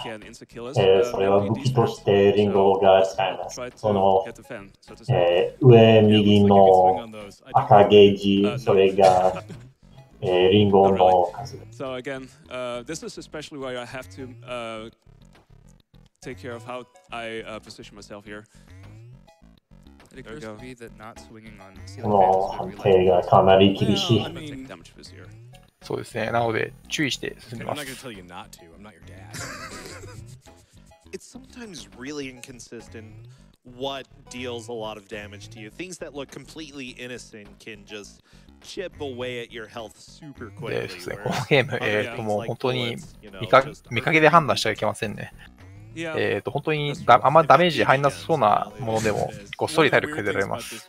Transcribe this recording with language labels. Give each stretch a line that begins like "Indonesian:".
Japanese: それは武器としてリンゴが使えます。その上右の赤ゲージ、それがリンゴの数。
English: So again, this is especially why I have to take care of how I position myself here. It occurs to me that not swinging on ceiling fans is really like that. Well, I mean...
Japanese: そうですね、なので注意して進んでます。
English: I'm not gonna tell you not to, I'm not your dad. It's sometimes really inconsistent what deals a lot of damage to you. Things that look completely innocent can just chip away at your health super quickly.
Japanese: ですね、このゲーム、もう本当に見かけで判断しちゃいけませんね。本当にあんまダメージ入らなさそうなものでもごっそり体力くれられます。